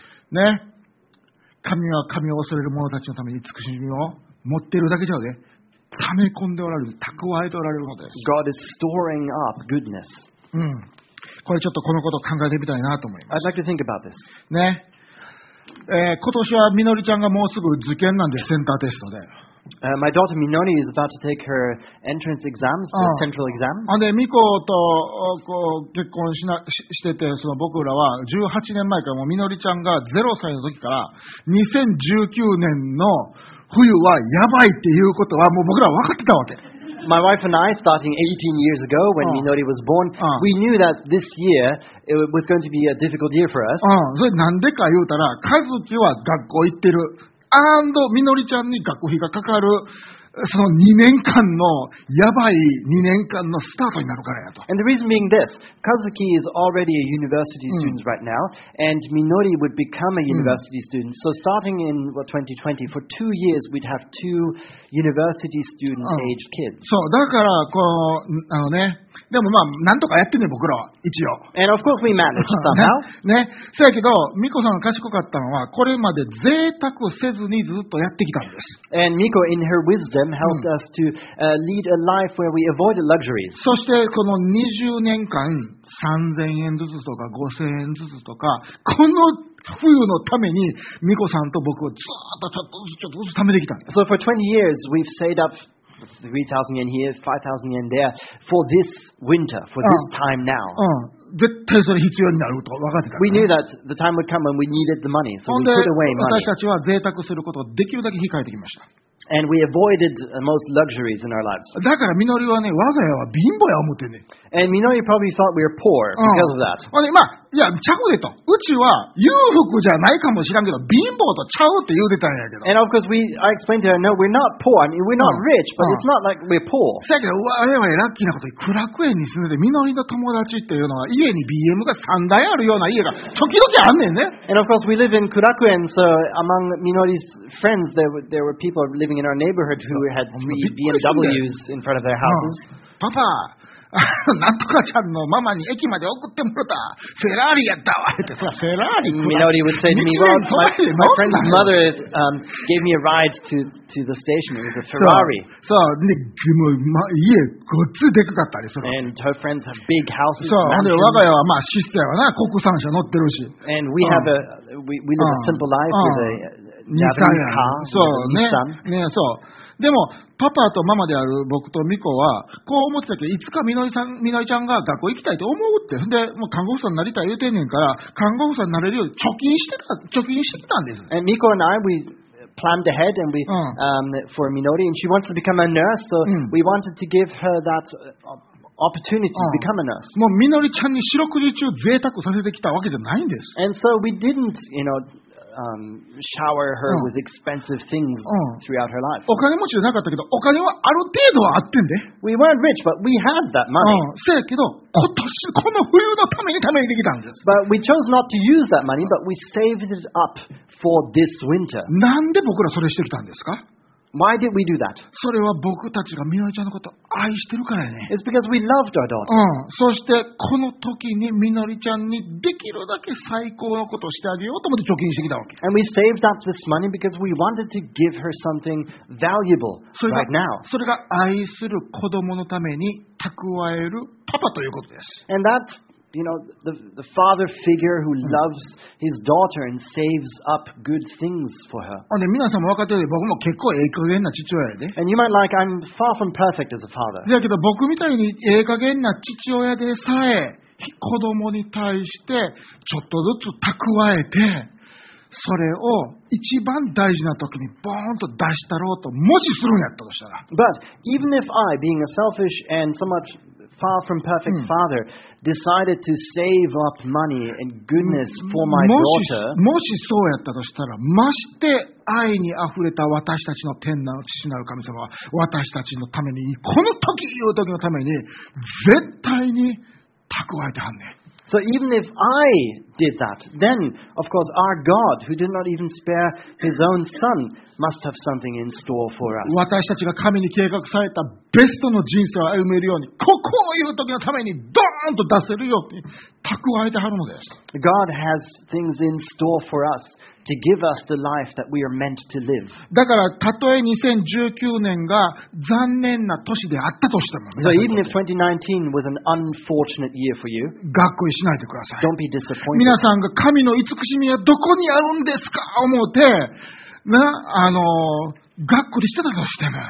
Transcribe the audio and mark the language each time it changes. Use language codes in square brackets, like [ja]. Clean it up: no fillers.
[ja] ね。神は神を恐れる者たちのために慈しみを持ってるだけじゃね。溜め込んでおられる、蓄えておられるのです。 [en] God is storing up goodness. [ja] これちょっとこのことを考えてみたいなと思います。 [en] I'd like to think about this. [ja] ね。今年はみのりちゃんがもうすぐ受験なんで、センターテストで。 [en] My daughter Minori is about to take her entrance exams, the central exam. [ja] あ、で、ミコとこう結婚 してて、その僕らは18年前からもうみのりちゃんが0歳の時から、2019年の冬はやばいっていうことはもう僕らは分かってたわけ。 [en] My wife and I, starting 18 years ago when Minori was born, we knew that this year it was going to be a difficult year for us. [ja] それなんでか言うたら、和樹は学校行ってる、and みのりちゃんに学費がかかる、その2年間のやばい2年間のスタートになるからやと。 [en] And the reason being this, Kazuki is already a university student right now, and Minori would become a university student. So starting in 2020, for 2 years, we'd have two university student age kids. [ja] そう、だから、あのね、でもまあ、なんとかやってね、僕らは、一応。 [en] And of course we managed somehow. [ja] ね。そやけど、ミコさんが賢かったのは、これまで贅沢せずにずっとやってきたんです。 [en] And Miko, in her wisdom, helped us to lead a life where we avoided luxuries. [ja] そして、この20年間、3000円ずつとか5000円ずつとか、この冬のために、ミコさんと僕をちょっとずつ貯めてきたんです。 [en] So for 20 years, we've saved up3,000 yen here, 5,000 yen there for this winter, for this time now. [ja] 絶対それ必要になると分かってた、ね。 [en] We knew that the time would come when we needed the money, so we put away money. [ja] 私たちは贅沢することをできるだけ控えてきました。 [en] And we avoided most luxuries in our lives. [ja] だからミノリはね、我が家は貧乏や思ってね。 [en] And Minori probably thought we were poor because of that. [ja] あれ、まあ、いや、ちゃうでと。うちは裕福じゃないかもしらんけど、貧乏とちゃうって言うてたんやけど。 [en] And of course, I explained to her, no, we're not poor. I mean, we're not rich, but it's not like we're poor. [ja] せやけど、我々ラッキーなことに、クラク園に住んでて、ミノリの友達っていうのは、家に BM が3台あるような家が、時々あんねんね。 [en] And of course, we live in Kurakuen, so among Minori's friends, there were people living in our neighborhood who had three BMWs in front of their houses. Papa! [ja] なんとかちゃんのママに駅まで送ってもらったフェラーリやったわってさ、フェラーリ。 [en] Minori would say to me, well, my friend's mother gave me a ride to the station. It was a Ferrari. [ja] そう、で、もう、ま、家ごっつでかかったり、その。 [en] And her friends have big houses. [ja] そう、で、我が家はまあ、システムはな、国産車乗ってるし。 [en] And we have we live a simple life with a Nissan car. [ja] そうね、ね、そう。でも、パパとママである僕とミコは、こう思ってたけど、いつかみのりちゃんが学校行きたいと思うって。で、もう看護婦さんになりたい言うてんねんから、看護婦さんになれるように貯金してきたんです。 [en] And Miko and I, we planned ahead and for Minori, and she wants to become a nurse, so we wanted to give her that opportunity to become a nurse. [ja] もうみのりちゃんに四六時中贅沢させてきたわけじゃないんです。 [en] And so we didn't, you know,shower her with expensive things throughout her life. [ja] お金持ちじゃなかったけど、お金はある程度はあってんで。 [en] We weren't rich, but we had that money. [ja] せやけど、今年この冬のために貯めてきたんです。 [en] But we chose not to use that money, but we saved it up for this winter. [ja] なんで僕らそれしてきたんですか？ [en] Why did we do that? [ja] それは僕たちがミノリちゃんのことを愛してるからね。 [en] It's because we loved our daughter. [ja] うん。そしてこの時にミノリちゃんにできるだけ最高のことをしてあげようと思って貯金してきたわけ。 [en] And we saved up this money because we wanted to give her something valuable right now. [ja] それが愛する子供のために蓄えるパパということです。 [en] And that's, you know, the father figure who loves his daughter and saves up good things for her. [ja] あ、で、皆さんも分かってるように僕も結構ええ加減な父親やで。 [en] And you might like, I'm far from perfect as a father. [ja] だけど僕みたいにええ加減な父親でさえ、子供に対してちょっとずつ蓄えて、それを一番大事な時にボーンと出したろうと、もしするんやったとしたら。 [en] But even if I, being a selfish and so much far from perfect father, decided to save up money and goodness for my daughter, [ja] もしそうやったとしたら、まして愛にあふれた私たちの天の父なる神様は、私たちのために、この時いう時のために、絶対に蓄えてはんねん。 [en] So even if I did that, then of course our God, who did not even spare His own Son, must have something in store for us. [ja] 私たちが神に計画されたベストの人生を歩めるように、ここを言う時のためにドーンと出せるように蓄えてはるのです。 [en] God has things in store for us to give us the life that we are meant to live. [ja] だからたとえ2019年が残念な年であったとしても、 [en] So even if 2019 was an unfortunate year for you, [ja] がっくりしないでください。 [en] Don't be disappointed. [ja] 皆さんが神の慈しみはどこにあるんですか思って、な、がっくりしてたとしても。